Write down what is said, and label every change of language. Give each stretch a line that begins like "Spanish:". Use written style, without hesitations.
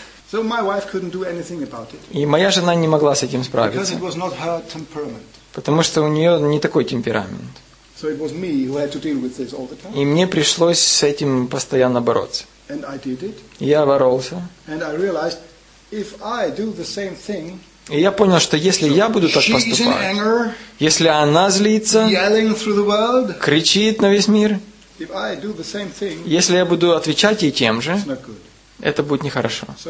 English: So my wife couldn't do anything about it.
Russian: И моя жена не могла с этим справиться.
English: Because it was not her temperament.
Russian: Потому что у нее не такой темперамент.
English: So it was me who had to deal with this all the time.
Russian: И мне пришлось с этим постоянно бороться.
English: And I did it.
Russian: Я боролся.
English: And I realized, if I do the same thing,
Russian: и я понял, что если я буду так поступать, если она злится, кричит на весь мир, если я буду отвечать ей тем же, это будет нехорошо.